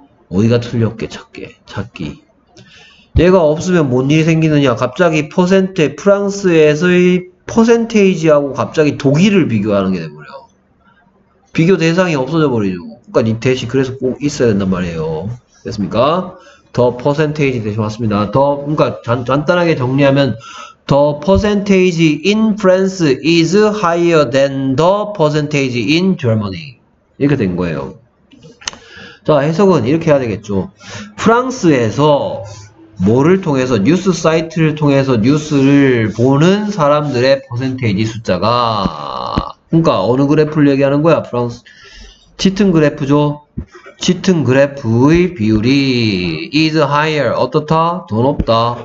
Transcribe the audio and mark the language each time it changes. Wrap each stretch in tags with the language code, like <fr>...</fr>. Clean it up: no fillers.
<ko>어디가 틀렸게 찾기. 얘가 없으면 뭔 일이 생기느냐. 갑자기 퍼센트, 프랑스에서의 퍼센테이지하고 갑자기 독일을 비교하는 게 돼버려. 비교 대상이 없어져 버리죠. 그러니까 이 대시 그래서 꼭 있어야 된단 말이에요. 됐습니까? 더 퍼센테이지 대시 맞습니다. 더, 그러니까 간단하게 정리하면</ko> <en>the percentage in France is higher than the percentage in Germany.</en> <ko>이렇게 된 거예요. 자, 해석은 이렇게 해야 되겠죠. 프랑스에서 뭐를 통해서 뉴스 사이트를 통해서 뉴스를 보는 사람들의 퍼센테이지 숫자가 그러니까 어느 그래프를 얘기하는 거야? 프랑스 짙은 그래프죠. 짙은 그래프의 비율이</ko> <en>is higher</en> <ko>어떻다? 더 높다.</ko>